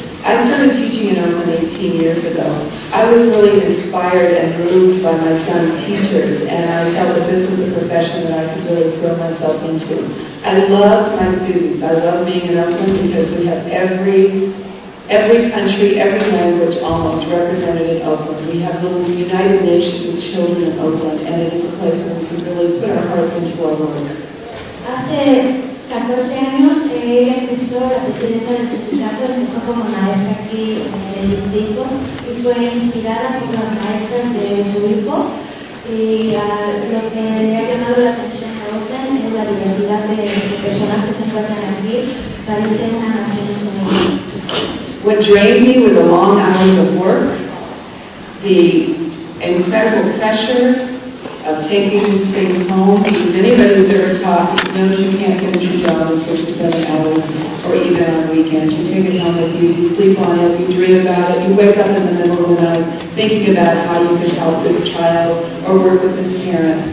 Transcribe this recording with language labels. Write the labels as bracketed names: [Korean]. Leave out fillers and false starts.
[English] As I started teaching in Oakland 18 years ago, I was really inspired and moved by my son's teachers, and I felt that this was a profession that I could really throw myself into. I loved my students. I loved being in Oakland because we have every country, every language almost represented in Oakland. We have the United Nations of Children in Oakland, and it is a place where we can really put our hearts into our work. [Spanish] Hace 14 años he empezó la presidenta del sindicato, empezó como maestra aquí en el distrito y fue inspirada por las maestras de su hijo y lo que le ha llamado la atención a Oakland es la diversidad de personas que se encuentran aquí, parece una nación unida. [English] What drained me were the long hours of work, the incredible pressure of taking things home, because anybody who's ever taught knows you can't finish your job in 6 to 7 hours or even on weekends. You take it home with you, you sleep on it, you dream about it, you wake up in the middle of the night thinking about how you could help this child or work with this parent.